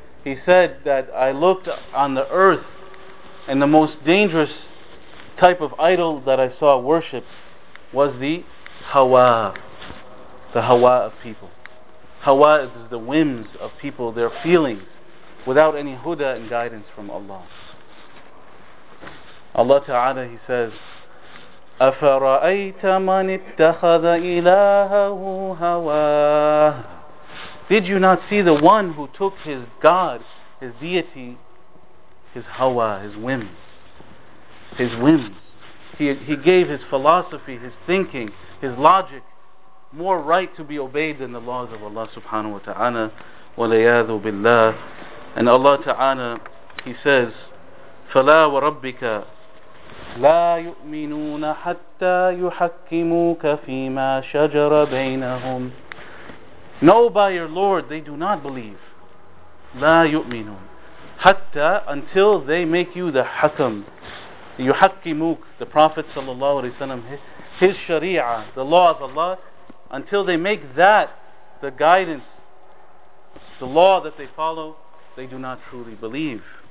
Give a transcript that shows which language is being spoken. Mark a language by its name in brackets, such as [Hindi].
[English] He said that, "I looked on the earth and the most dangerous type of idol that I saw worshipped was the Hawa of people." Hawa is the whims of people, their feelings, without any huda and guidance from Allah. Allah Ta'ala, he says, [Arabic] أَفَرَأَيْتَ مَنِ اتَّخَذَ إِلَاهَهُ هَوَاهُ. [English] Did you not see the one who took his God, his deity, his hawa, his whims? His whims. He gave his philosophy, his thinking, his logic, more right to be obeyed than the laws of Allah Subhanahu Wa Ta'ala. [Arabic] وَلَيَاذُ بِاللَّهِ. [English] And Allah Ta'ala, he says, [Arabic] فَلَا وَرَبِّكَ لا يؤمنون حتى يحكموك فيما شجر بينهم. [English] No, by your Lord, they do not believe. [Arabic] لا يؤمنون حتى, [English] until they make you the حكم. يحكموك, the Prophet sallallahu alaihi wasallam, his Sharia, the law of Allah, until they make that the guidance, the law that they follow, they do not truly believe.